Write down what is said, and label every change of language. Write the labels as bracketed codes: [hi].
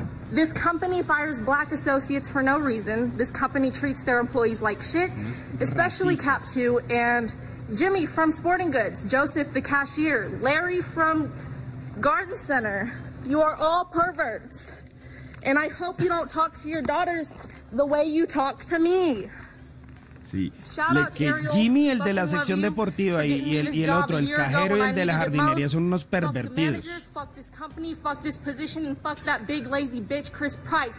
[en] This company fires black associates for no reason. This company treats their employees like shit, especially Cap 2, and Jimmy from Sporting Goods, Joseph the cashier, Larry from Garden Center. You are all perverts. And I hope you don't talk to your daughters the way you talk to me. [es] Sí. Que Jimmy, el de la sección deportiva, y el otro, el cajero y el de la jardinería, son unos pervertidos. [en] Fuck this company, fuck this position, and fuck that big lazy bitch, Chris Price.